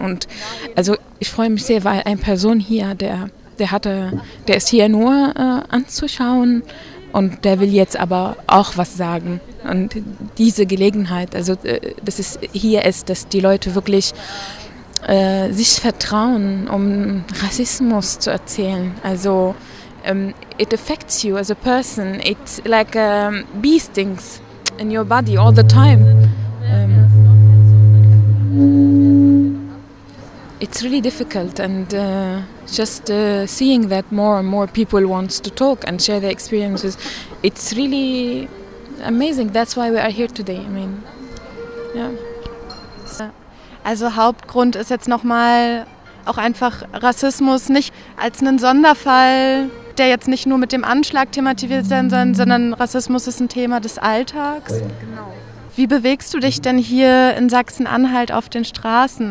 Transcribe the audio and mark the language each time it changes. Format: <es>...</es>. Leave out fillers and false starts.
<de>Und also ich freue mich sehr, weil eine Person hier, der ist hier nur anzuschauen und der will jetzt aber auch was sagen. Und diese Gelegenheit, also dass es hier ist, dass die Leute wirklich sich vertrauen, um Rassismus zu erzählen.</de> <en>Also, it affects you as a person. It's like bee stings in your body all the time. It's really difficult and just seeing that more and more people want to talk and share their experiences, it's really amazing. That's why we are here today. I mean, yeah.</en> <de>Also Hauptgrund ist jetzt nochmal auch einfach Rassismus nicht als einen Sonderfall, der jetzt nicht nur mit dem Anschlag thematisiert sein soll, sondern Rassismus ist ein Thema des Alltags. Genau. Wie bewegst du dich denn hier in Sachsen-Anhalt auf den Straßen?</de>